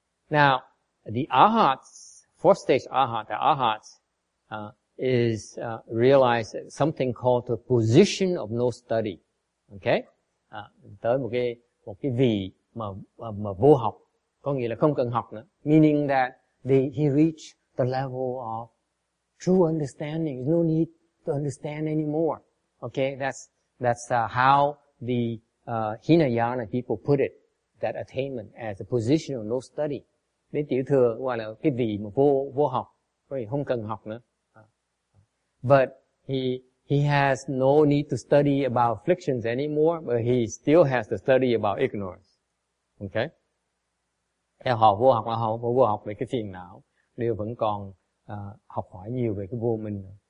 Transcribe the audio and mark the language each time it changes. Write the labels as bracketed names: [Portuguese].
[English] Now, the Arhats, fourth stage Arhat, the Arhats, is realized something called the position of no study. Okay? [Vietnamese] Tới một cái vị mà vô học, có nghĩa là không cần học nữa. [English] Meaning that he reached the level of true understanding. There's no need to understand anymore. Okay? That's how the Hinayana people put it, that attainment as a position of no study. [Vietnamese] Nên tiểu thừa gọi là cái vị mà vô học, không cần học nữa. [English] But he has no need to study about afflictions anymore, but he still has to study about ignorance. Okay? [Vietnamese] Theo họ vô học là họ vô học về cái phiền não, đều vẫn còn học hỏi nhiều về cái vô minh.